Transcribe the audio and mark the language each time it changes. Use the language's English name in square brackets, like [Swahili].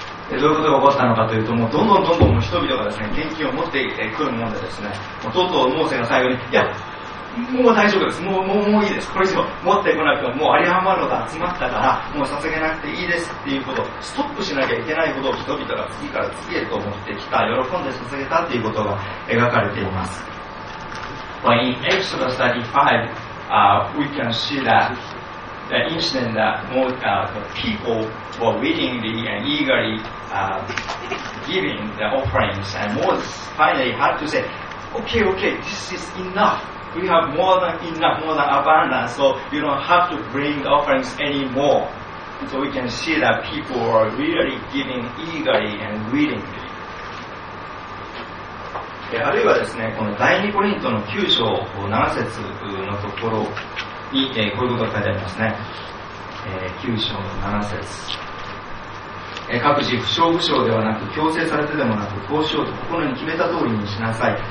[Japanese] どういうことが起こったのかというと、もうどんどん人々がですね、献金を持ってくるものでですね、もうとうとうモーセが最後に、いや、もう大丈夫です。もういいです。これ以上持ってこなくても、もう有り余るのが集まったから、もう捧げなくていいですっていうこと、ストップしなきゃいけないほど人々が次から次へと持ってきた、喜んで捧げたっていうことが描かれています。 [English] But in Exodus 35, we can see that the incident that the people were willingly and eagerly giving the offerings, and Moses finally had to say, okay, this is enough. We have more than enough, more than abundance, so you don't have to bring the offerings anymore. So we can see that people are really giving eagerly and willingly. [Japanese] あるいはですね、この第二コリントの9章7節のところに、こういうことが書いてありますね。9章の7節。各自不祥不祥ではなく強制されてでもなくこうしようと心に決めた通りにしなさい。